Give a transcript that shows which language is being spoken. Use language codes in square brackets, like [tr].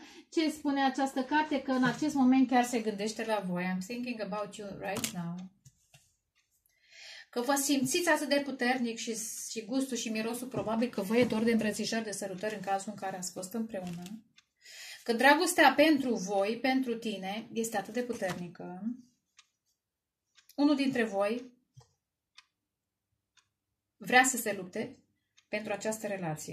[ro] Ce spune această carte? Că în acest moment chiar se gândește la voi. [en] I'm thinking about you right now. [ro] Că vă simțiți atât de puternic și gustul și mirosul, probabil că vă e dor de îmbrățișări, de sărutări în cazul în care ați fost împreună. Că dragostea pentru voi, pentru tine, este atât de puternică. Unul dintre voi vrea să se lupte pentru această relație.